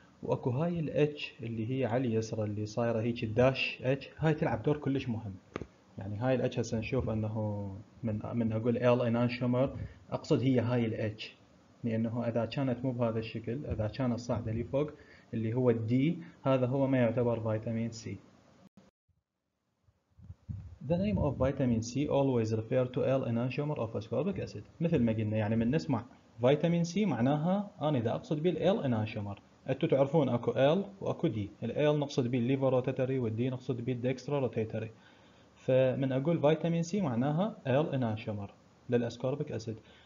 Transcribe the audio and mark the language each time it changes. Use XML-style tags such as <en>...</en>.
<ar>وأكو هاي الإتش اللي هي على اليسرى اللي صايرة هيك الداش إتش، هاي تلعب دور كلش مهم. يعني هاي الاتش هسه نشوف انه من اقول ال انانشومر اقصد هي هاي الاتش، لانه اذا كانت مو بهذا الشكل، اذا كانت صاعده لي فوق اللي هو الدي، هذا هو ما يعتبر فيتامين سي.</ar> <en>The name of vitamin C always refer to L enantiomer of ascorbic acid.</en> <ar>مثل ما قلنا يعني من نسمع فيتامين سي معناها انا اذا اقصد بال L enantiomer. انتو تعرفون اكو L واكو D. ال L نقصد بال liver rotatory وال D نقصد بال dextra rotatory. فمن اقول فيتامين سي معناها ال انانشومر للاسكوربيك اسيد.</ar>